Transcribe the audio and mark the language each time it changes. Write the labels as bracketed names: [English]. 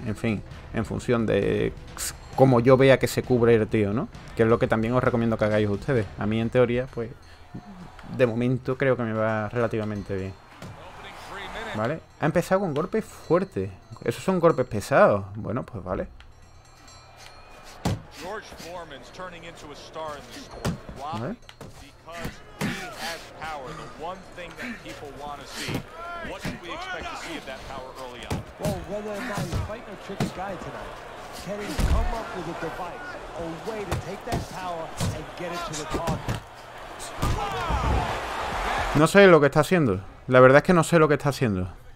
[Spanish] En fin, en función de cómo yo vea que se cubre el tío, ¿no? Que es lo que también os recomiendo que hagáis ustedes. A mí, en teoría, pues... De momento creo que me va relativamente bien. ¿Vale? Ha empezado con golpes fuertes. Esos son golpes pesados. Bueno, pues vale. [English] George Foreman's turning into a star in this sport. Why? Because he has power, the one thing that people want to see. What should we expect to see of that power early on? Well, whether or not he's fighting a tricky guy tonight, can he come up with a device, a way to take that power and get it to the target? [Spanish] No sé lo que está haciendo. La verdad es que no sé lo que está haciendo.